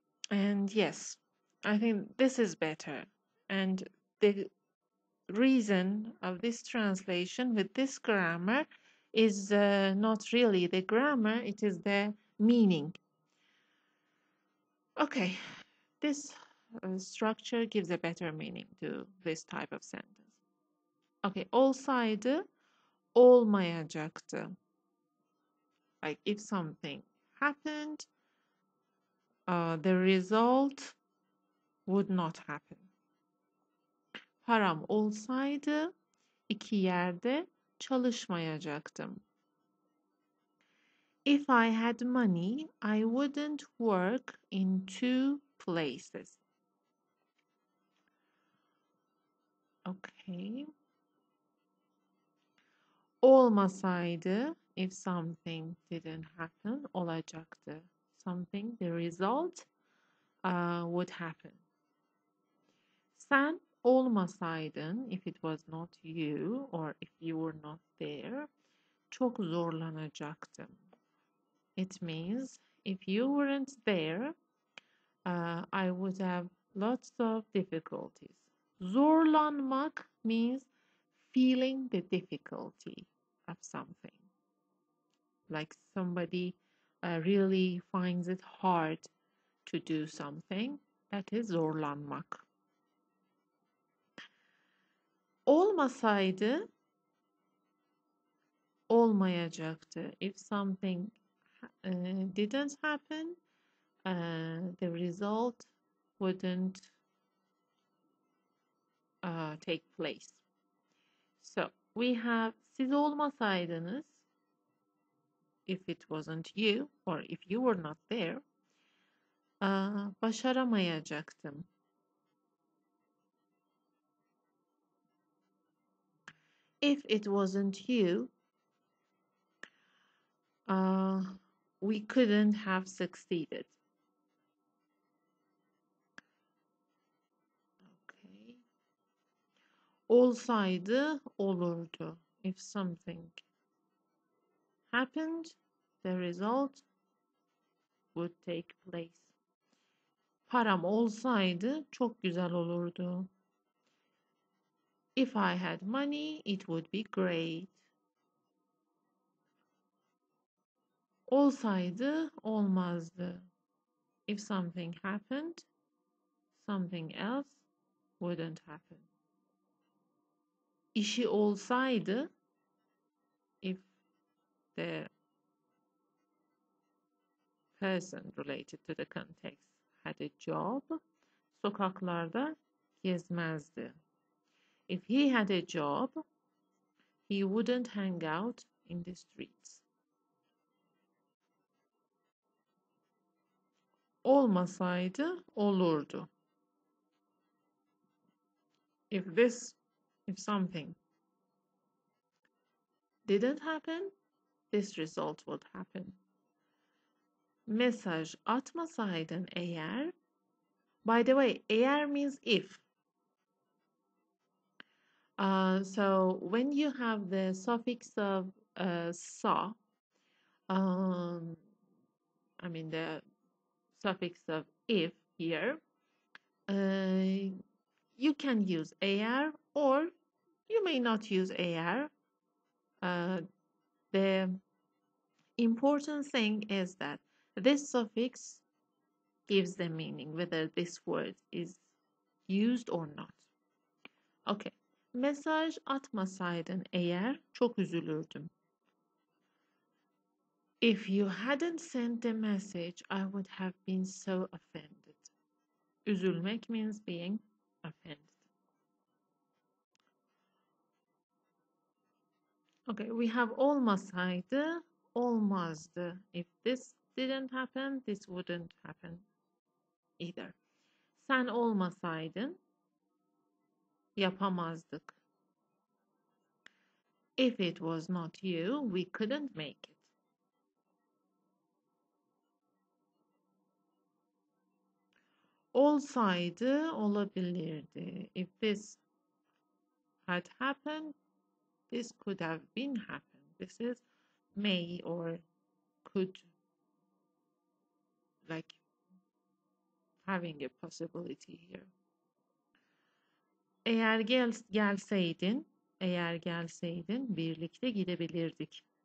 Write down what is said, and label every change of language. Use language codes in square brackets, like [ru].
[en] And yes, I think this is better. And the reason of this translation with this grammar is not really the grammar, it is the meaning. Okay. This structure gives a better meaning to this type of sentence. [tr] Okay, olsaydı olmayacaktı. [en] Like if something happened, the result would not happen. [tr] Param olsaydı iki yerde çalışmayacaktım. [en] If I had money, I wouldn't work in two places. Okay. [tr] Olmasaydı, [en] if something didn't happen, [tr] olacaktı. [en] Something, the result would happen. [tr] Sen olmasaydın, [en] if it was not you or if you were not there, [tr] çok zorlanacaktım. [en] It means if you weren't there, I would have lots of difficulties. Zorlanmak means feeling the difficulty of something. Like somebody really finds it hard to do something. That is zorlanmak. [tr] Olmasaydı, olmayacaktı. [en] If something didn't happen, the result wouldn't take place. So we have [tr] siz olmasaydınız, [en] if it wasn't you or if you were not there, [tr] başaramayacaktım. [en] If it wasn't you, we couldn't have succeeded. [tr] Olsaydı olurdu. [en] If something happened, the result would take place. [tr] Param olsaydı çok güzel olurdu. [en] If I had money, it would be great. [tr] Olsaydı olmazdı. [en] If something happened, something else wouldn't happen. [tr] İşi olsaydı, [en] if the person related to the context had a job, [tr] sokaklarda gezmezdi. [en] If he had a job, he wouldn't hang out in the streets. [tr] Olmasaydı, olurdu. [en] if something didn't happen, this result would happen. [tr] Mesaj atmasaydın eğer, [en] by the way, eğer means if. So when you have the suffix of sa, I mean the suffix of if here, you can use eğer or you may not use eğer. The important thing is that this suffix gives the meaning whether this word is used or not. Okay. [tr] Mesaj atmasaydın eğer çok üzülürdüm. [en] If you hadn't sent the message, I would have been so offended. Üzülmek means being offended. Okay, we have [tr] olmasaydı, olmazdı. [en] If this didn't happen, this wouldn't happen either. [tr] Sen olmasaydın, yapamazdık. [en] If it was not you, we couldn't make it. [tr] Olsaydı, olabilirdi. [en] If this had happened, this could have been happened. This is may or could, like having a possibility here. [tr] Eğer gelseydin, eğer gelseydin, birlikte gidebilirdik.